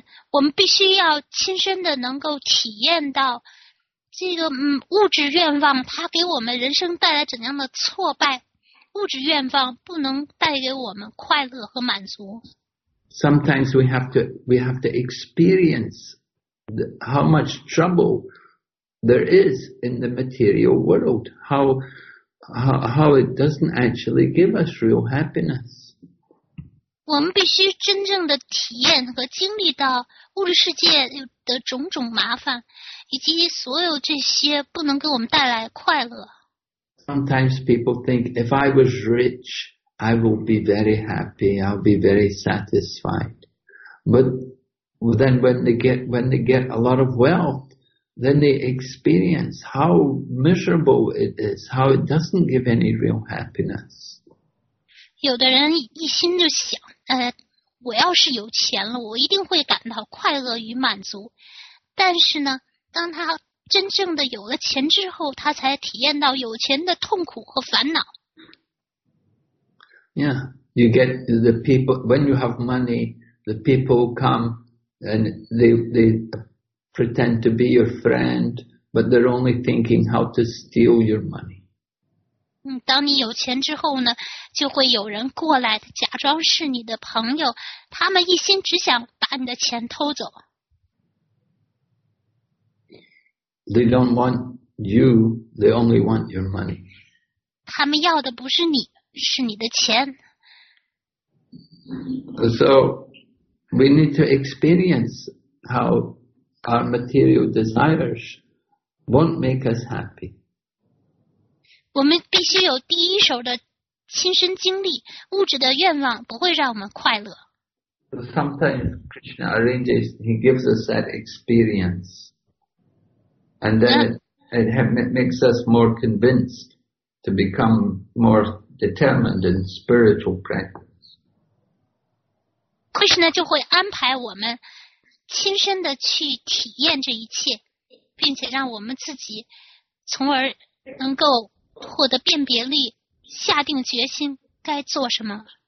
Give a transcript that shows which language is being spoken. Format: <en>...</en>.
<zh>我们必须要亲身的能够体验到这个物质愿望它给我们人生带来怎样的挫败，物质愿望不能带给我们快乐和满足。</zh> <en>Sometimes we have to experience how much trouble there is in the material world, how it doesn't actually give us real happiness.</en> <zh>我们必须真正的体验和经历到物质世界的种种麻烦，以及所有这些不能给我们带来快乐。</zh> <en>Sometimes people think, if I was rich, I will be very happy, I'll be very satisfied. But then when they get a lot of wealth, then they experience how miserable it is, how it doesn't give any real happiness.</en> <zh>有的人一心就想，我要是有钱了，我一定会感到快乐与满足。但是呢，当他真正的有了钱之后，他才体验到有钱的痛苦和烦恼。</zh> <en>Yeah, you get the people, when you have money, the people come and they pretend to be your friend, but they're only thinking how to steal your money.</en> <zh>当你有钱之后呢，就会有人过来假装是你的朋友，他们一心只想把你的钱偷走。</zh> <en>They don't want you, they only want your money.</en> <zh>他们要的不是你，是你的钱。</zh> <en>So, we need to experience how our material desires won't make us happy.</en> <zh>我们必须有第一手的亲身经历，物质的愿望不会让我们快乐。</zh> <en>Sometimes Krishna arranges, he gives us that experience. And then it makes us more convinced to become more determined in spiritual practice.</en> <zh>Krishna 就会安排我们亲身的去体验这一切，并且让我们自己从而能够获得辨别力，下定决心该做什么。</zh>